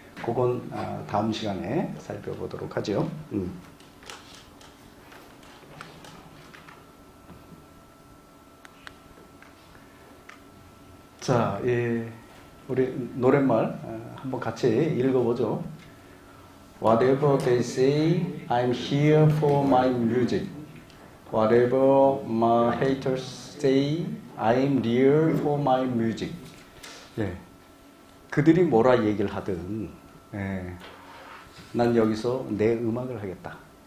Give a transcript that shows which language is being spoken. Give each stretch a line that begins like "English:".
Korean: 그건 다음 시간에 살펴보도록 하죠. 자, 예. 우리 노랫말 한번 같이 읽어보죠.
English: Whatever they say, I'm here for my music. Whatever my haters say, I'm real for my music.
Korean: 예, 그들이 뭐라 얘기를 하든, 예, 난 여기서 내 음악을 하겠다.